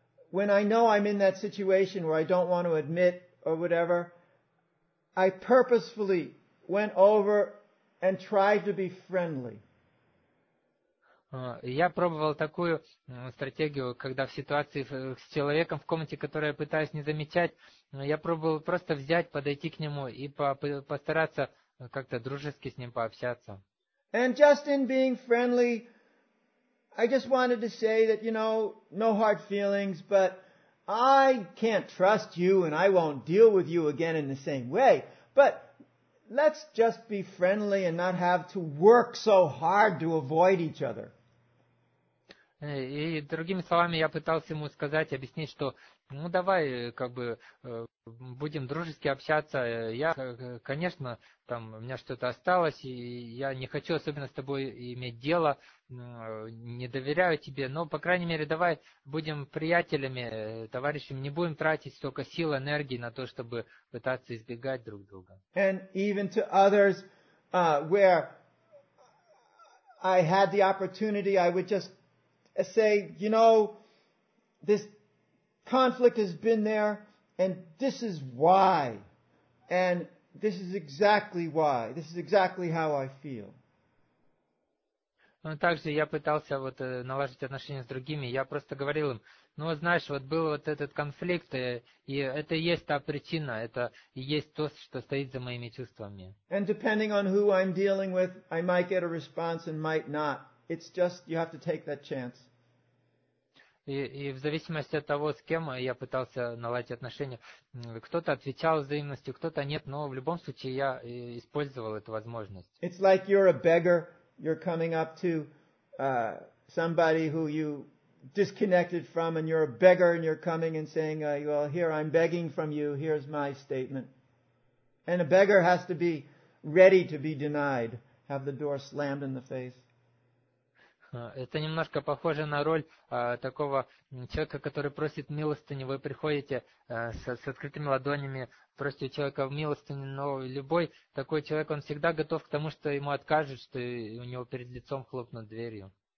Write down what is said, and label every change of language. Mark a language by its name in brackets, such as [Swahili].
[English] When I know I'm in that situation where I don't want to admit or whatever, I purposefully went over and tried to be friendly. [Russian] Я пробовал такую стратегию, когда в ситуации с человеком в комнате, которую я пытаюсь не замечать, я пробовал просто взять, подойти к нему и постараться как-то дружески с ним пообщаться. [English] And just in being friendly, I just wanted to say that, you know, no hard feelings, but I can't trust you and I won't deal with you again in the same way. But let's just be friendly and not have to work so hard to avoid each other. [Russian] И другими словами, я пытался ему сказать, объяснить, что ну давай, как бы, будем дружески общаться. Я, конечно, там у меня что-то осталось, и я не хочу особенно с тобой иметь дело, не доверяю тебе, но, по крайней мере, давай будем приятелями, товарищами, не будем тратить столько сил, энергии на то, чтобы пытаться избегать друг друга. [English] And even to others, where I had the opportunity, I would just say, you know, this conflict has been there, and this is why. And this is exactly why, this is exactly how I feel. [Russian] Ну, также я пытался вот наложить отношения с другими. Я просто говорил им, ну, знаешь, вот был вот этот конфликт, и это и есть та причина, это и есть то, что стоит за моими чувствами. [English] And depending on who I'm dealing with, I might get a response and might not. It's just, you have to take that chance. [Russian] И в зависимости от того, с кем я пытался наладить отношения, кто-то отвечал взаимностью, кто-то нет, но в любом случае я использовал эту возможность. [English] It's like you're a beggar. You're coming up to somebody who you disconnected from, and you're a beggar, and you're coming and saying, well, here, I'm begging from you. Here's my statement. And a beggar has to be ready to be denied, have the door slammed in the face. [Russian] Это немножко похоже на роль такого человека, который просит милостыню. Вы приходите с открытыми ладонями, просите у человека милостыню, но любой такой человек, он всегда готов к тому, что ему откажут, что у него перед лицом хлопнут дверью.